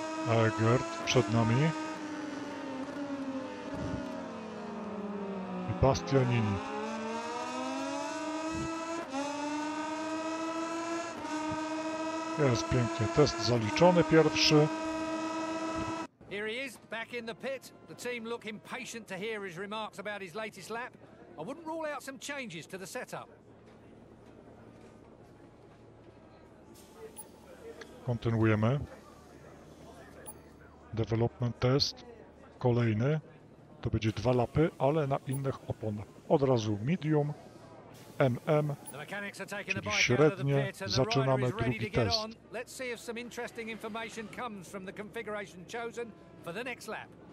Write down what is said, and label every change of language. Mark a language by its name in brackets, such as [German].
[Polish] Egert przed nami. I Bastianini. Jest pięknie. Test zaliczony pierwszy. [English] In the pit, the team look impatient to hear his remarks about his latest lap. I wouldn't rule out some changes to the setup. [Polish] Kontynuujemy. [English] Development test. [Polish] Kolejny. To będzie dwa lapy, ale na innych oponach. Od razu medium, MM, czyli średnie. Zaczynamy drugi test. [English] Let's see if some interesting information comes from the configuration chosen for the next lap.